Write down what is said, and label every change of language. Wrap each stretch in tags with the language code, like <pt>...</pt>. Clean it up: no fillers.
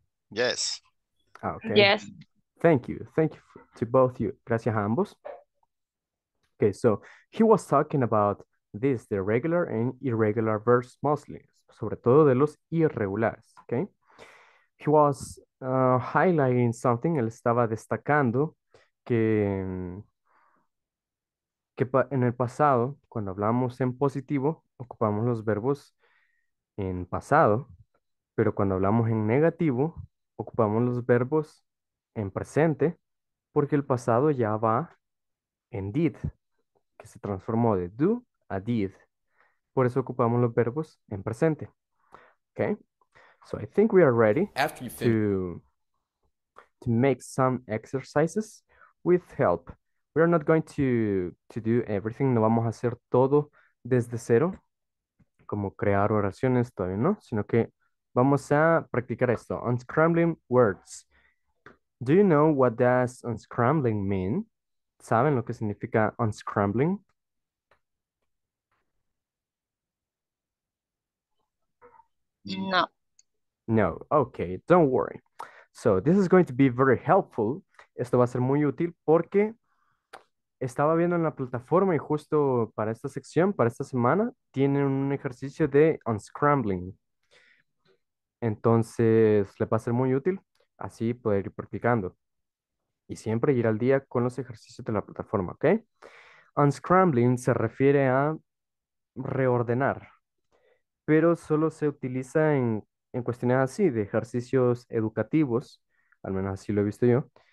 <en>Yes. Okay. Yes. Thank you. Thank you to both you.</en> <es>Gracias a ambos.</es> <en>Okay, so he was talking about this, the regular and irregular verbs mostly,</en> <es>sobre todo de los irregulares,</es> <en>okay? He was highlighting something,</en> <es>él estaba destacando que en el pasado, cuando hablamos en positivo, ocupamos los verbos en pasado, pero cuando hablamos en negativo, ocupamos los verbos en presente, porque el pasado ya va en did, que se transformó de do a did. Por eso ocupamos los verbos en presente.</es> <en>Okay, so I think we are ready to make some exercises with help. We are not going to do everything.</en> <es>No vamos a hacer todo desde cero, como crear oraciones todavía, ¿no? Sino que vamos a practicar esto.</es> <en>Unscrambling words. Do you know what does unscrambling mean?</en> <es>¿Saben lo que significa unscrambling?</es> <en>No. No. Okay, don't worry. So this is going to be very helpful.</en> <es>Esto va a ser muy útil porque estaba viendo en la plataforma y justo para esta sección, para esta semana, tienen un ejercicio de unscrambling. Entonces, le va a ser muy útil así poder ir practicando. Y siempre ir al día con los ejercicios de la plataforma, ¿ok? Unscrambling se refiere a reordenar, pero solo se utiliza en cuestiones así, de ejercicios educativos, al menos así lo he visto yo.</es>